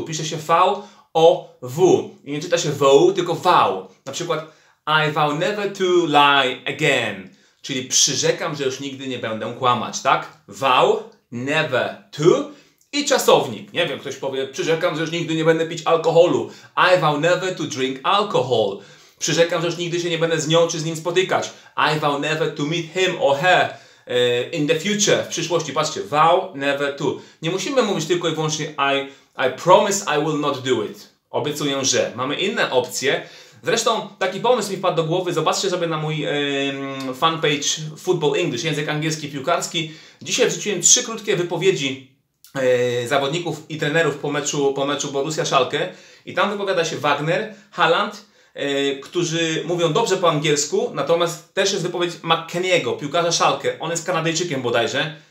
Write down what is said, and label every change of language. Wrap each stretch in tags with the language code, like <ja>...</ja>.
<pl>Pisze się V-O-W. I nie czyta się vow, tylko vow. Na przykład</pl> <en>I vow never to lie again.</en> <pl>Czyli przyrzekam, że już nigdy nie będę kłamać, tak?</pl> <en>Vow never to.</en> <pl>I czasownik. Nie wiem, ktoś powie, przyrzekam, że już nigdy nie będę pić alkoholu.</pl> <en>I vow never to drink alcohol.</en> <pl>Przyrzekam, że już nigdy się nie będę z nią czy z nim spotykać.</pl> <en>I vow never to meet him or her in the future.</en> <pl>W przyszłości. Patrzcie,</pl> <en>vow never to.</en> <pl>Nie musimy mówić tylko i wyłącznie</pl> <en>I promise I will not do it.</en> <pl>Obiecuję, że. Mamy inne opcje. Zresztą taki pomysł mi wpadł do głowy. Zobaczcie sobie na mój fanpage Football English, język angielski piłkarski. Dzisiaj wrzuciłem trzy krótkie wypowiedzi zawodników i trenerów po meczu Borussia Schalke i tam wypowiada się Wagner, Haaland, którzy mówią dobrze po angielsku, natomiast też jest wypowiedź McKenniego, piłkarza Schalke, on jest Kanadyjczykiem bodajże.</pl>